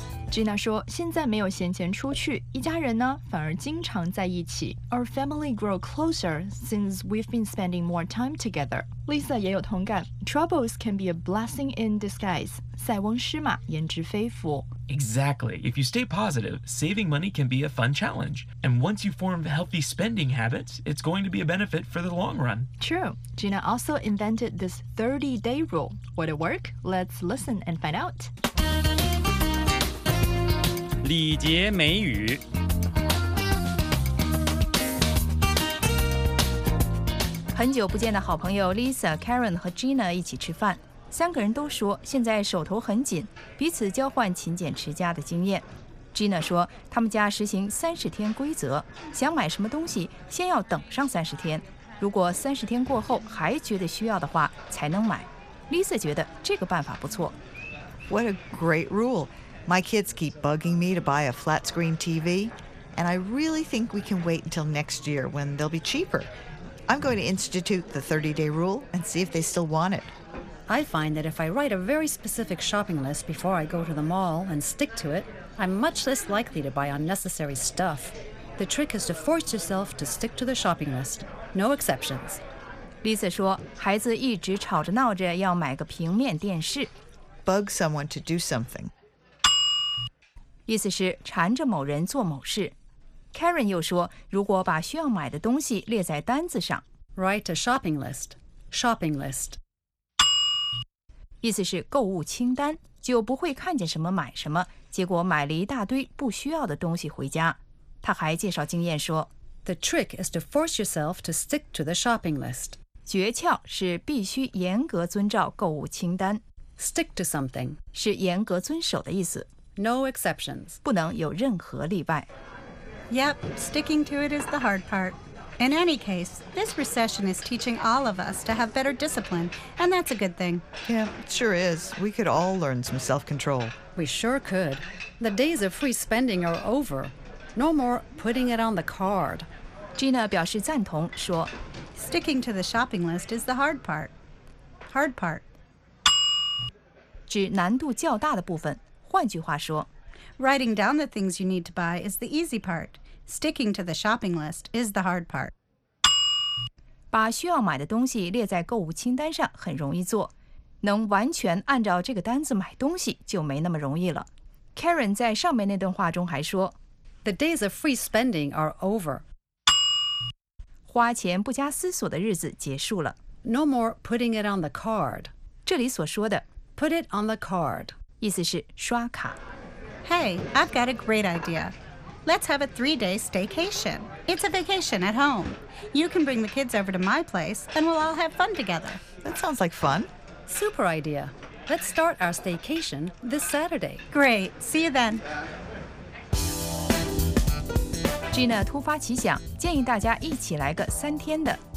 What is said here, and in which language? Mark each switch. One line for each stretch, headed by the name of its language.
Chinese: Gina 说现在没有闲钱出去，一家人呢反而经常在一起。
English: Our family grow closer since we've been spending more time together. Lisa
Chinese: 也有同感，
English: Troubles can be a blessing in disguise.
Chinese: 塞翁失马焉知非福。
English: Exactly. If you stay positive, saving money can be a fun challenge. And once you form healthy spending habits, it's going to be a benefit for the long run. True. Gina also invented this 30-day rule. Would it work? Let's listen and find out.
Chinese: 礼节美语。很久不见的好朋友 Lisa, Karen 和 Gina 一起吃饭。三个人都说现在手头很紧，彼此交换勤俭持家的经验。 Gina 说他们家实行30天规则，想买什么东西先要等上30天，如果30天过后还觉得需要的话才能买。 Lisa 觉得这个办法不错。
English: What a great rule. My kids keep bugging me to buy a flat screen TV, and I really think we can wait until next year when they'll be cheaper. I'm going to institute the 30-day rule and see if they still want it I find that if I write a very specific shopping list before I go to the mall and stick to it, I'm much less likely to buy unnecessary stuff. The trick is to force yourself to stick to the shopping list. No exceptions.
Chinese: Lisa 说孩子一直吵着闹着要买个平面电视。
English: Bug someone to do something.
Chinese: 意思是缠着某人做某事。Karen 又说如果把需要买的东西列在单子上。
English: Write a shopping list. Shopping list.
Chinese: 意思是购物清单，就不会看见什么买什么，结果买了一大堆不需要的东西回家。他还介绍经验说
English: The trick is to force yourself to stick to the shopping list.
Chinese: 诀窍是必须严格遵照购物清单。
English: Stick to something
Chinese: 是严格遵守的意思。
English: No exceptions.
Chinese: 不能有任何例外。
English: Yep, sticking to it is the hard part. In any case, this recession is teaching all of us to have better discipline, and that's a good thing. Yeah, it sure is. We could all learn some self-control. We sure could. The days of free spending are over. No more putting it on the card.
Chinese: Gina 表示赞同，说
English: Sticking to the shopping list is the hard part. Hard part.
Chinese: 指难度较大的部分，换句话说
English: Writing down the things you need to buy is the easy part. Sticking to the shopping list is the hard part.
Chinese: 把需要买的东西列在购物清单上很容易做，能完全按照这个单子买东西就没那么容易了。 Karen 在上面那段话中还说
English: The days of free spending are over.
Chinese: 花钱不加思索的日子结束了。
English: No more putting it on the card.
Chinese: 这里所说的
English: Put it on the card.
Chinese: 意思是刷卡。
English: Hey, I've got a great idea. Let's have a 3-day staycation. It's a vacation at home. You can bring the kids over to my place, and we'll all have fun together. That sounds like fun. Super idea. Let's start our staycation this Saturday. Great. See you then.
Chinese: Gina 突发奇想，建议大家一起来个3天的